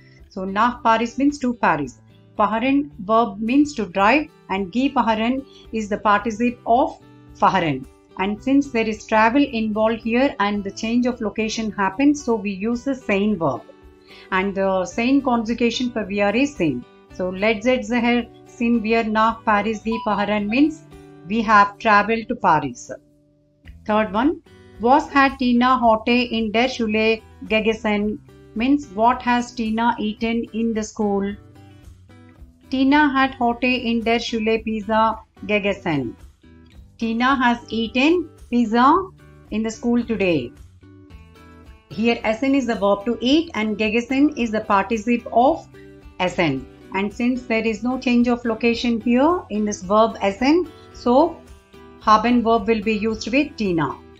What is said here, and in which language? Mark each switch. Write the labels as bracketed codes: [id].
[en] So, [de] nach Paris [en] means to Paris. Fahren verb means to drive and gefahren is the participle of fahren. And since there is travel involved here and the change of location happens, so we use the same verb. And the same conjugation for wir is sind. [de] So, letztes Jahr sind wir nach Paris gefahren [en] means we have traveled to Paris. Third one, [de] was hat Tina heute in der Schule gegessen? [en] Means what has Tina eaten in the school? [de] Tina hat heute in der Schule Pizza gegessen. [en] Tina has eaten pizza in the school today. Here essen is the verb to eat and gegessen is the participle of essen. And since there is no change of location here in this verb essen, so haben verb will be used with Tina.